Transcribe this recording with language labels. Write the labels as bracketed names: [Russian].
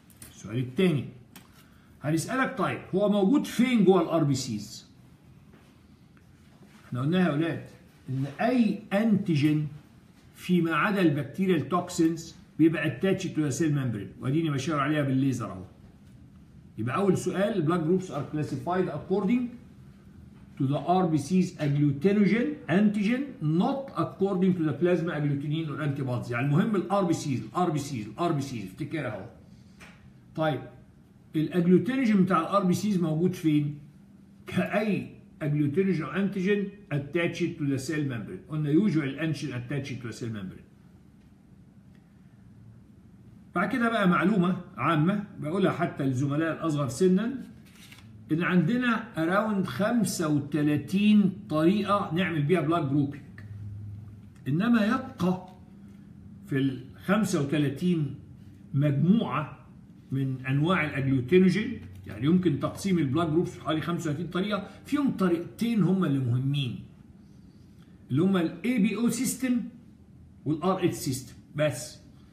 [Arabic] السؤال الثاني هنسألك طيب هو موجود فين جوه الـ RBC's؟ احنا قلناها يا أولاد إن أي أنتيجين فيما عدا البكتيريا التوكسينز بيبقى [English] attached to the cell membrane [Arabic] وديني بشير عليها بالليزر اهو. يبقى أول سؤال [English] blood groups are classified according to the RBC's agglutinogen antigen not according to the plasma agglutinin or antibodies. [Arabic] يعني المهم الRBC's افتكرها اهو. طيب الاجلوتينوجين بتاع الRBC's موجود فين؟ كأي [English] agglutinogen antigen attached to the cell membrane. [Arabic] قلنا [English] usual antigen attached to the cell membrane. [Arabic] بعد كده بقى معلومة عامة بقولها حتى للزملاء الأصغر سنا إن عندنا أراوند 35 طريقة نعمل بيها بلاد جروبينج. إنما يبقى في الـ 35 مجموعة من أنواع الأجلوتينوجين يعني يمكن تقسيم البلاد جروبس حوالي 35 طريقة فيهم طريقتين هما اللي مهمين اللي هما الـ ABO system والـ RH system بس.